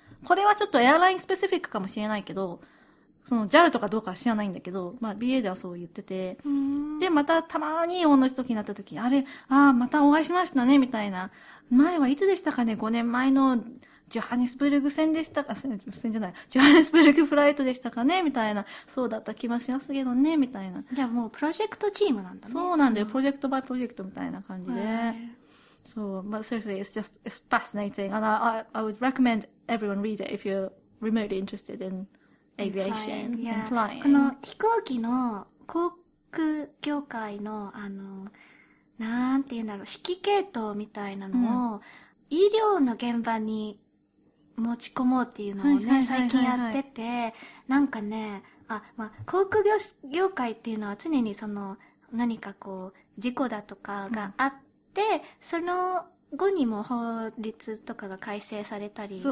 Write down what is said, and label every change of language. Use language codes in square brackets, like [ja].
[ja] これはちょっとエアラインスペシフィックかもしれないけど、その JAL とかどうかは知らないんだけど、まあ、BA ではそう言ってて、で、またたまに同じ時になった時に、あれ、ああ、またお会いしましたね、みたいな。前はいつでしたかね、5年前の、ジョハネスブルグ戦でしたか、戦じゃない、ジョハネスブルグフライトでしたかねみたいな、そうだった気もしますけどね、みたいな。じゃあもうプロジェクトチームなんだね。そうなんだよ、プロジェクトバイプロジェクトみたいな感じで。 [en] そう、but seriously, it's just, it's fascinating, and I would recommend everyone read it if you're remotely interested in aviation and flying. [ja] この飛行機の航空業界の、あの、なんて言うんだろう、指揮系統みたいなのを、うん、医療の現場に持ち込もうっていうのをね、最近やってて、なんかね、あ、まあ、航空業界っていうのは常にその何かこう事故だとかがあって、うん、その後にも法律とかが改正されたり、